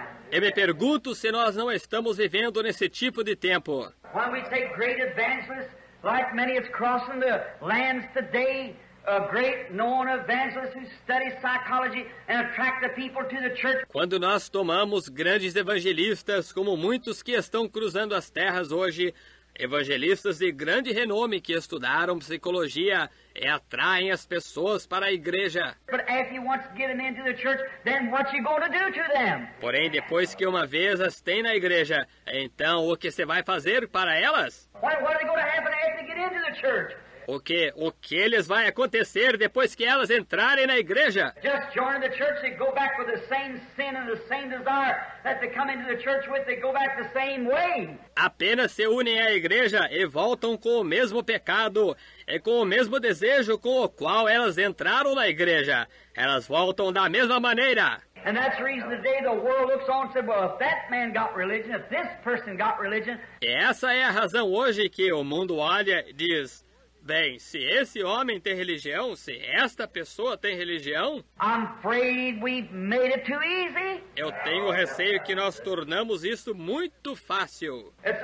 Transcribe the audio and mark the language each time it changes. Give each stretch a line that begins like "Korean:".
Portuguese: Eu me pergunto se nós não estamos vivendo nesse tipo de tempo. Quando
English: we take great evangelists, like many is crossing the lands today, a great known evangelist who studies psychology and attract the people to the church.
Portuguese: Quando nós tomamos grandes evangelistas, como muitos que estão cruzando as terras hoje, evangelistas de grande renome que estudaram psicologia e atraem as pessoas para a igreja.
English: But if you once get them into the church, then what you going to do to them?
Portuguese: Porém, depois que uma vez as tem na igreja, então o que você vai fazer para elas?
English: What are going to happen after they get into the church?
Portuguese: O que lhes vai acontecer depois que elas entrarem na igreja?
English: Just join the church and go back with the same sin and the same desire that they come into the church with, they go back the same way.
Portuguese: Apenas se unem à igreja e voltam com o mesmo pecado e com o mesmo desejo com o qual elas entraram na igreja. Elas voltam da mesma maneira.
English: And that's the reason today the world looks on and says, well, if that man got religion, if this person got religion.
Portuguese: E essa é a razão hoje que o mundo olha e diz, bem, se esse homem tem religião, se esta pessoa tem religião,
English: I'm afraid we've made it too easy.
Portuguese: Eu tenho o receio que nós tornamos isso muito fácil.